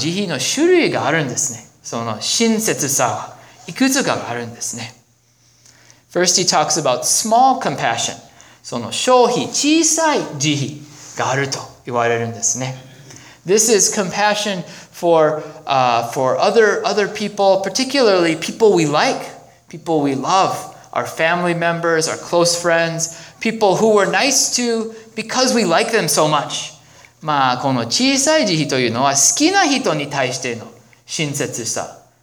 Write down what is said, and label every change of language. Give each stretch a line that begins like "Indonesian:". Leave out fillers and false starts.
Japanese: 仏様の御教えは、慈悲は一つじゃなくて、いくつかの慈悲の種類があるんですね。その親切さは。
English: First, he talks about small compassion. This is compassion for other people, particularly people we like, people we love, our family members, our close friends, people who we're nice to because we like them so much.
Japanese: まあこの小さい慈悲というのは好きな人に対しての親切さ。